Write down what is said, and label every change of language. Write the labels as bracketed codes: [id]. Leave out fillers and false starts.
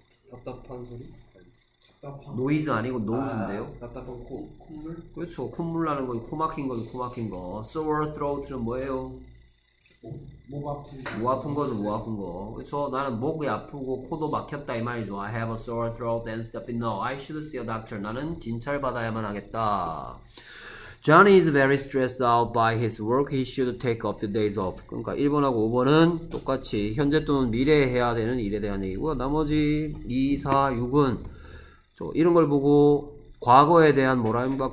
[ko] 답답한 소리? 답답한 노이즈 아니고 노우즈인데요? 답답한 콧물? 그렇죠. 콧물 나는 거지. 코 막힌 거지. 코 막힌 거. Sore throat는 뭐예요? 목 아픈 거죠. 목 아픈 거. 그쵸? 나는 목이 아프고 코도 막혔다 이 말이죠. [en] I have a sore throat and stuffy nose. I should see a doctor. [ko] 나는 진찰 받아야만 하겠다. [en] Johnny is very stressed out by his work. He should take a few days off. [ko] 그러니까 1번하고 5번은 똑같이 현재 또는 미래에 해야 되는 일에 대한 얘기고요. 나머지 2, 4, 6은 저 이런 걸 보고 과거에 대한 뭐라입니까?